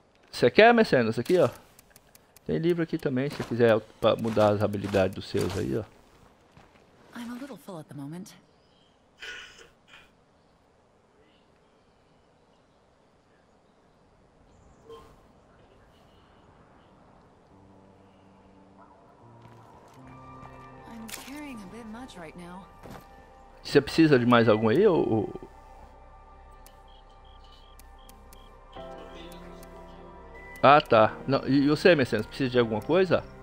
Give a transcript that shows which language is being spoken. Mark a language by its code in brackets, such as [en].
[pt] Você quer, Mercenas, aqui, ó? Tem livro aqui também, se quiser pra mudar as habilidades dos seus aí, ó. [en] I'm a little full at the moment. I'm carrying a bit much right now. [pt] Você precisa de mais algum aí, ou... Ah, tá. Não, e você, Mercedes, precisa de alguma coisa?